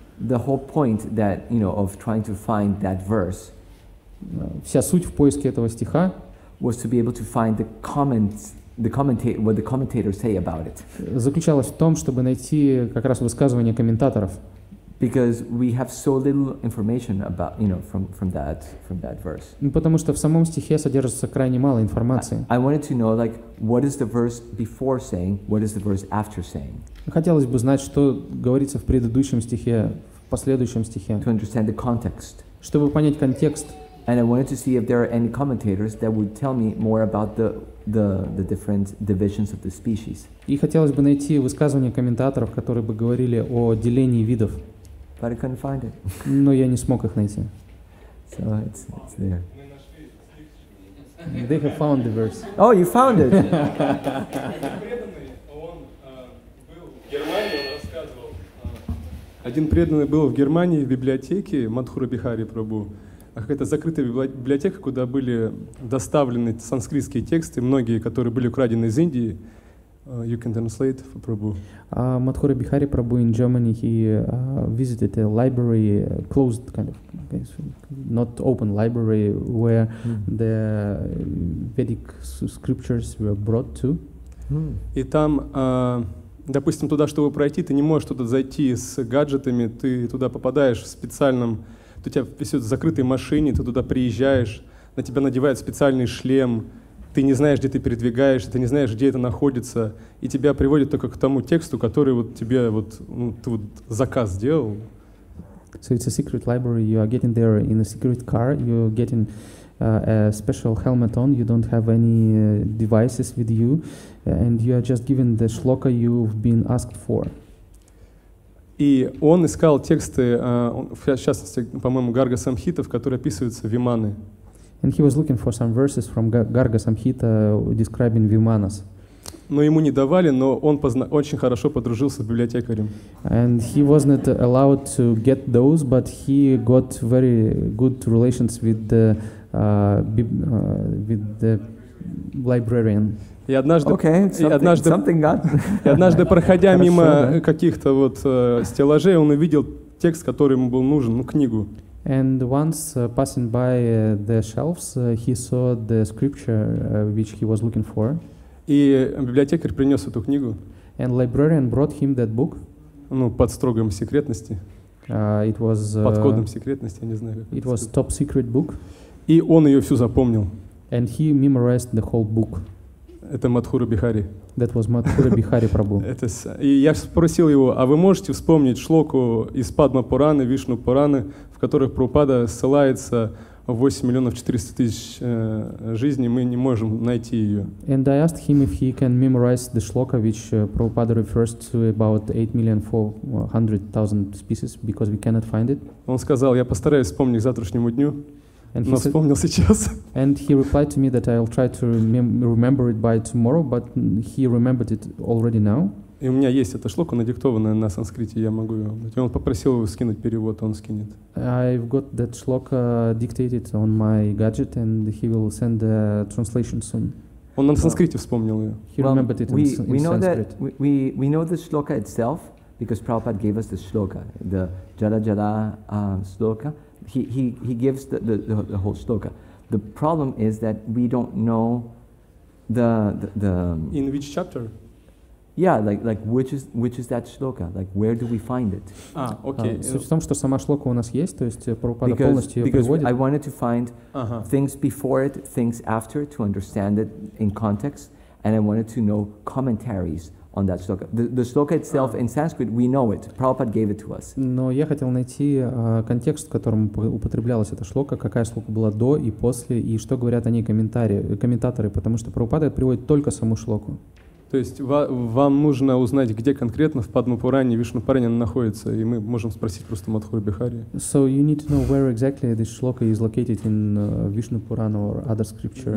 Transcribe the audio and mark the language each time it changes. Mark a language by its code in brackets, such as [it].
[en] The whole point that, you know, of trying to find that verse. [ru] Вся суть в поиске этого стиха. [en] Was to be able to find the comments. What the commentators say about it. [ru] Заключалось в том, чтобы найти как раз высказывания комментаторов. [en] Because we have so little information about, you know, from that verse. [ru] Потому что в самом стихе содержится крайне мало информации. [en] I wanted to know, like, what is the verse before saying, what is the verse after saying. [ru] Хотелось бы знать, что говорится в предыдущем стихе, в последующем стихе. [en] To understand the context. [ru] Чтобы понять контекст. [en] And I wanted to see if there are any commentators that would tell me more about the different divisions of the species. [ru] И хотелось бы найти высказывания комментаторов, которые бы говорили о делении видов. [en] But I couldn't find it. [ru] Но я не смог их найти. [en] So it's there. They have found the verse. Oh, you found it. [ru] Один преданный был в Германии в библиотеке Мадхура Бихари Прабу. Какая-то закрытая библиотека, куда были доставлены санскритские тексты, многие, которые были украдены из Индии. [en] You can translate for Prabhu. Мадхура Бихари Прабу in Germany, he visited a library, closed kind of, not open library, where the Vedic scriptures were brought to. [ru] И там, допустим, туда, чтобы пройти, ты не можешь туда зайти с гаджетами, ты туда попадаешь в специальном... У тебя висит в закрытой машине, ты туда приезжаешь, на тебя надевают специальный шлем, ты не знаешь, где ты передвигаешься, ты не знаешь, где это находится, и тебя приводит только к тому тексту, который вот тебе вот, ну, ты вот заказ сделал. [en] So it's a secret library, you are getting there in a secret car, you're getting a special helmet on, you don't have any devices with you, and you are just given the shloka you've been asked for. [ru] И он искал тексты, в частности, по-моему, Гарга Самхитов, которые описываются Виманы. [en] And he was looking for some verses from Garga Samhita describing Vimanas. [ru] Но ему не давали, но он очень хорошо подружился с библиотекарем. [en] And he wasn't allowed to get those, but he got very good relations with the librarian. [ru] И однажды, [en] okay, [ru] и однажды проходя мимо каких-то вот стеллажей, он увидел текст, который ему был нужен, ну, книгу. [en] And once passing by the shelves, he saw the scripture which he was looking for. [ru] И библиотекарь принес эту книгу. [en] And librarian brought him that book. [ru] Ну, под строгом секретности. [en] It was, [ru] под кодом секретности, я не знаю. Как [en] it was top secret book. [ru] И он ее всю запомнил. [en] And he memorized the whole book. [ru] Это Мадхура Бихари. [en] That was Мадхура Бихари Прабу. [ru] Это, и я спросил его, а вы можете вспомнить шлоку из Падма Пураны, Вишну Пураны, в которых Прабхупада ссылается 8 миллионов 400 тысяч жизней, мы не можем найти ее. [en] And I asked him if he can memorize the shloka which Prabhupada refers to about 8,400,000 species, because we cannot find it. [ru] Он сказал, я постараюсь вспомнить к завтрашнему дню. [en] And [ru] но вспомнил сейчас. [en] And he replied to me that I'll try to remember it by tomorrow, but he remembered it already now. [ru] И у меня есть эта шлока, надиктованная на санскрите, я могу ее. Он попросил его скинуть перевод, он скинет. [en] I've got that shloka dictated on my gadget, and he will send the translation soon. [ru] Он на санскрите вспомнил ее. [en] He remembered it in Sanskrit. We know the shloka itself because Prabhupada gave us the shloka, the jala jala shloka. He gives the whole shloka. The problem is that we don't know the in which chapter? Yeah, like which is that shloka? Like where do we find it? Ah, okay. [ru] Суть в том, что сама шлока у нас есть, то есть Прабхупада полностью ее приводит. [en] Because I wanted to find things before it, things after, to understand it in context, and I wanted to know commentaries on that shloka. The shloka itself in Sanskrit, we know it. Prabhupada gave it to us. [ru] Но я хотел найти контекст, в котором употреблялась эта шлока, какая шлока была до и после, и что говорят о ней комментаторы, потому что Прабхупада приводит только саму шлоку. То есть вам нужно узнать, где конкретно в Падмапуране Вишнупуране находится, и мы можем спросить просто Мадхуру Бихари. [en] So you need to know where exactly this shloka is located in Vishnupurana or other scripture.